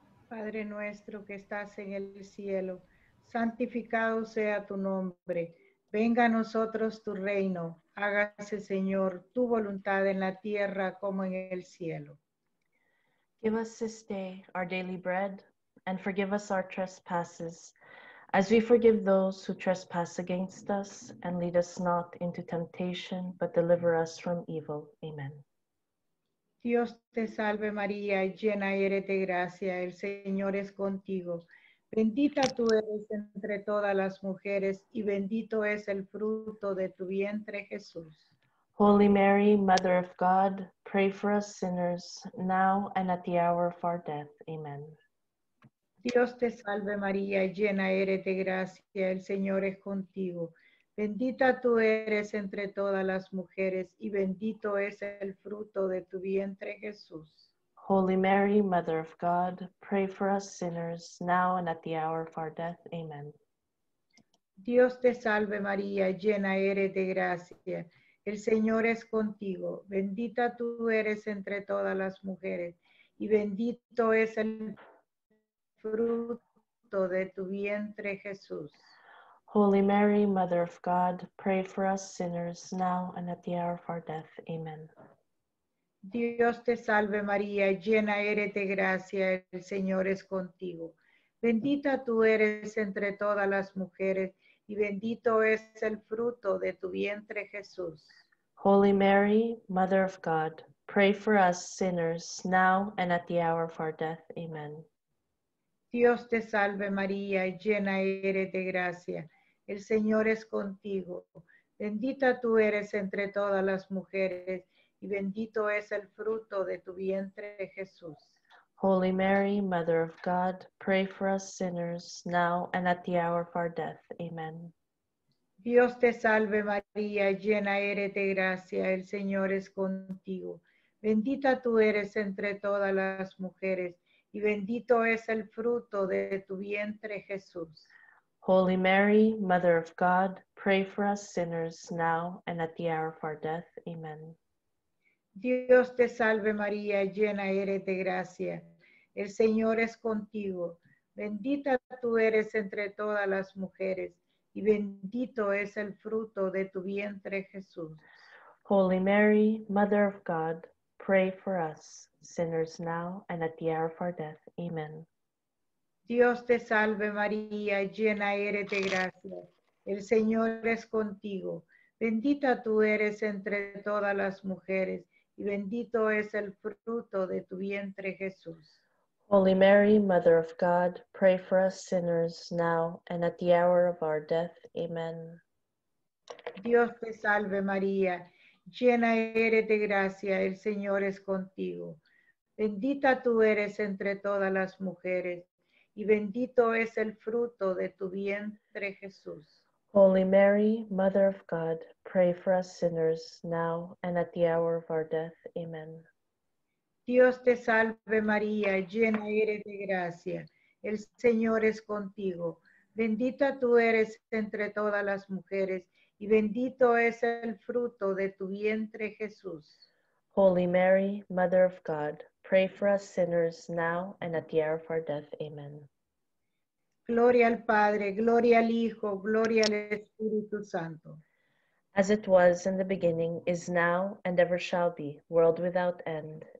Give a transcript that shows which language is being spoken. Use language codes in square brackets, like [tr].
[es] Padre nuestro que estás en el cielo, santificado sea tu nombre. Venga a nosotros tu reino. Hágase, Señor, tu voluntad en la tierra como en el cielo. [en] Give us this day our daily bread, and forgive us our trespasses, As we forgive those who trespass against us, and lead us not into temptation, but deliver us from evil. Amen. [es] Dios te salve María, llena eres de gracia, el Señor es contigo. Bendita tú eres entre todas las mujeres, y bendito es el fruto de tu vientre, Jesús. [en] Holy Mary, Mother of God, pray for us sinners, now and at the hour of our death. Amen. [es] Dios te salve María, llena eres de gracia, el Señor es contigo. Bendita tú eres entre todas las mujeres, y bendito es el fruto de tu vientre, Jesús. [en] Holy Mary, Mother of God, pray for us sinners, now and at the hour of our death. Amen. [es] Dios te salve María, llena eres de gracia, el Señor es contigo. Bendita tú eres entre todas las mujeres, y bendito es el fruto de tu vientre, Jesús. [en] Holy Mary, Mother of God, pray for us sinners, now and at the hour of our death. Amen. [es] Dios te salve María, llena eres de gracia, el Señor es contigo. Bendita tú eres entre todas las mujeres, y bendito es el fruto de tu vientre, Jesús. [en] Holy Mary, Mother of God, pray for us sinners, now and at the hour of our death. Amen. [es] Dios te salve María, llena eres de gracia, el Señor es contigo. Bendita tú eres entre todas las mujeres, y bendito es el fruto de tu vientre, Jesús. [en] Holy Mary, Mother of God, pray for us sinners, now and at the hour of our death. Amen. [es] Dios te salve María, llena eres de gracia, el Señor es contigo. Bendita tú eres entre todas las mujeres, y bendito es el fruto de tu vientre, Jesús. [en] Holy Mary, Mother of God, pray for us sinners, now and at the hour of our death. Amen. [es] Dios te salve María, llena eres de gracia. El Señor es contigo. Bendita tú eres entre todas las mujeres, y bendito es el fruto de tu vientre, Jesús. [en] Holy Mary, Mother of God, pray for us, sinners, now and at the hour of our death. Amen. [es] Dios te salve María, llena eres de gracia. El Señor es contigo. Bendita tú eres entre todas las mujeres, y bendito es el fruto de tu vientre, Jesús. [en] Holy Mary, Mother of God, pray for us sinners now and at the hour of our death. Amen. [es] Dios te salve María, llena eres de gracia, el Señor es contigo. Bendita tú eres entre todas las mujeres, y bendito es el fruto de tu vientre, Jesús. [en] Holy Mary, Mother of God, pray for us sinners, now and at the hour of our death. Amen. [es] Dios te salve María, llena eres de gracia, el Señor es contigo. Bendita tú eres entre todas las mujeres, y bendito es el fruto de tu vientre, Jesús. [en] Holy Mary, Mother of God, pray for us sinners now and at the hour of our death. Amen. [es] Gloria al Padre, gloria al Hijo, gloria al Espíritu Santo. [en] As it was in the beginning, is now, and ever shall be, world without end.